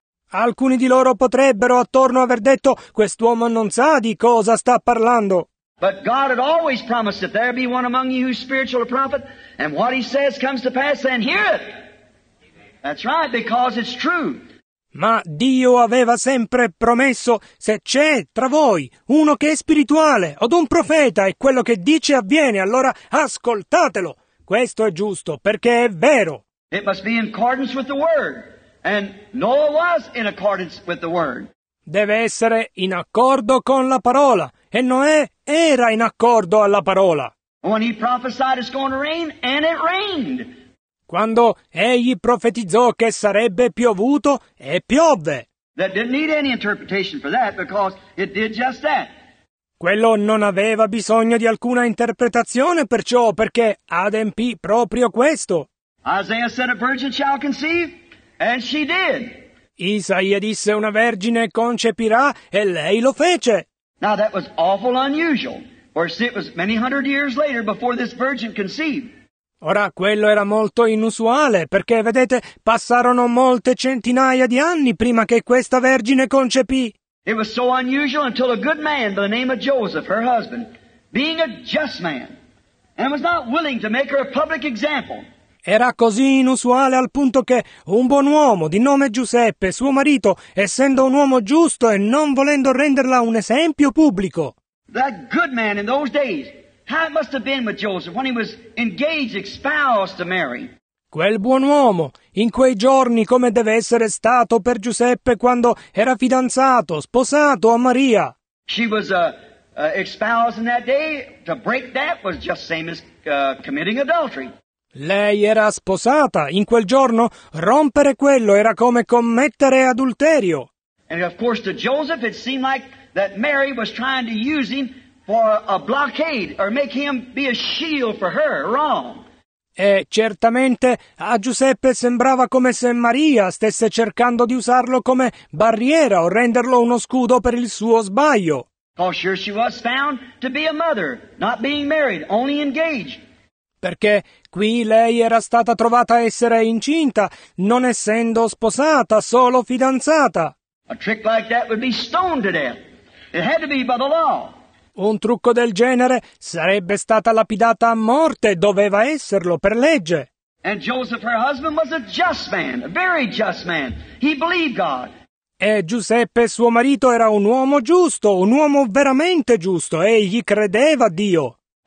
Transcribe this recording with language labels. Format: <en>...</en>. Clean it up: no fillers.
<it>Alcuni di loro potrebbero attorno aver detto, quest'uomo non sa di cosa sta parlando.</it> <en>But God had always promised that there be one among you who's spiritual a prophet, and what he says comes to pass, then hear it. That's right, because it's true.</en> <it>Ma Dio aveva sempre promesso, se c'è tra voi uno che è spirituale o un profeta e quello che dice avviene, allora ascoltatelo. Questo è giusto, perché è vero.</it> <en>It must be in accordance with the word. And Noah was in accordance with the word.</en> <it>Deve essere in accordo con la parola. E Noè era in accordo alla parola.</it> <en>When he prophesied it's going to rain, and it rained.</en> <it>Quando egli profetizzò che sarebbe piovuto, e piovve.</it> <en>That didn't need any interpretation for that, because it did just that.</en> <it>Quello non aveva bisogno di alcuna interpretazione perciò, perché adempì proprio questo.</it> <en>Isaiah said a virgin shall conceive, and she did.</en> <it>Isaia disse una vergine concepirà, e lei lo fece.</it> <en>Now that was awful unusual, for it was many hundred years later before this virgin conceived.</en> <it>Ora, quello era molto inusuale, perché, vedete, passarono molte centinaia di anni prima che questa Vergine concepì.</it> <en>It was so unusual until a good man by the name of Joseph, her husband, being a just man, and was not willing to make her a public example.</en> <it>Era così inusuale al punto che un buon uomo di nome Giuseppe, suo marito, essendo un uomo giusto e non volendo renderla un esempio pubblico.</it> <en>That good man in those days, how it must have been with Joseph when he was engaged, espoused to Mary.</en> <it>Quel buon uomo, in quei giorni, come deve essere stato per Giuseppe quando era fidanzato, sposato a Maria.</it> <en>She was espoused in that day. To break that was just same as committing adultery.</en> <it>Lei era sposata in quel giorno. Rompere quello era come commettere adulterio.</it> <en>And of course to Joseph it seemed like that Mary was trying to use him for a blockade or make him be a shield for her wrong.</en> <it>E certamente a Giuseppe sembrava come se Maria stesse cercando di usarlo come barriera o renderlo uno scudo per il suo sbaglio.</it> <en>Oh, sure she was found to be a mother, not being married, only engaged.</en> <it>Perché qui lei era stata trovata essere incinta, non essendo sposata, solo fidanzata.</it> <en>A trick like that would be stoned to death. It had to be by the law.</en> <it>Un trucco del genere sarebbe stata lapidata a morte, doveva esserlo per legge.</it> <en>And Joseph, her husband, was a just man, a very just man. He believed God.</en> <it>E Giuseppe, suo marito, era un uomo giusto, un uomo veramente giusto, egli credeva a Dio.</it>